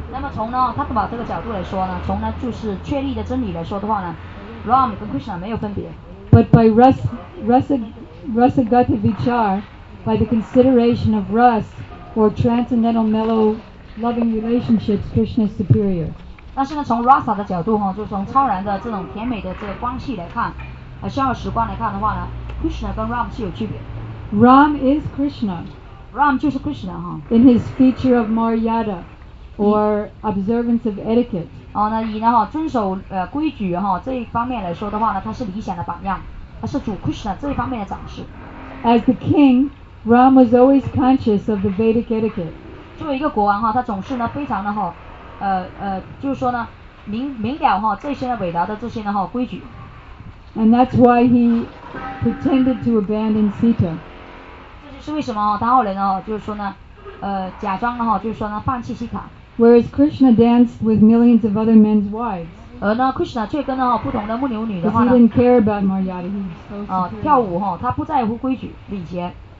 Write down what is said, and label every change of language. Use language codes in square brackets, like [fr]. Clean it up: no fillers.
[zh] 那么从呢 tattva 这个角度来说呢，从呢就是确立的真理来说的话呢 ，Rama 跟 Krishna 没有分别。 [en] But by rasagata vichar, by the consideration of rasa or transcendental mellow loving relationships, Krishna is superior. [zh] 但是呢，从 rasa 的角度哈，就从超然的这种甜美的这个关系来看。而逍遥时光来看的话呢 ，Krishna 跟 Ram 是有区别。 [en] Ram is Krishna。 [zh] Ram 就是 Krishna 哈。 [en] In his feature of maryada, or observance of etiquette。 [zh] 哦，那以呢哈遵守规矩哈这一方面来说的话呢，他是理想的榜样，他是主 Krishna 这一方面的展示。 [en] As the king, Ram was always conscious of the Vedic etiquette。 [zh] 作为一个国王哈，他总是呢非常的哈，就是说呢明了哈这些呢伟大的这些呢哈规矩。 [en] And that's why he pretended to abandon Sita. [zh] 这就是为什么他后来呢，就是说呢，假装呢，就是说呢，放弃西卡。 [en] Whereas Krishna danced with millions of other men's wives. [zh] 而呢 ，Krishna 却跟呢不同的牧牛女的话呢。 [en] He didn't care about maryada. [zh] 跳舞哈，他不在乎规矩礼节。